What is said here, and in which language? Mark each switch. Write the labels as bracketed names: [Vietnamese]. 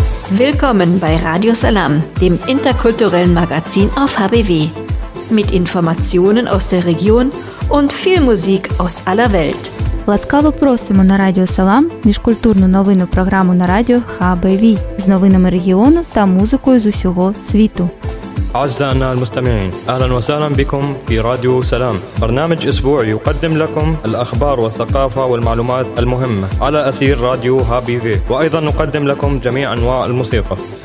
[German] Willkommen bei Radio Salam, dem interkulturellen Magazin auf HBW. Mit Informationen aus der Region und viel Musik aus aller Welt. [Ukrainian] Ласкаво просимо на Радіо Салам міжкультурну новинну програму на радіо HBV з новинами регіону та музикою з усього світу. [Arabic] أعزائنا المستمعين أهلا وسهلا بكم في راديو سلام برنامج أسبوعي يقدم لكم الأخبار والثقافة والمعلومات المهمة على أثير راديو HBV وأيضا نقدم لكم جميع أنواع الموسيقى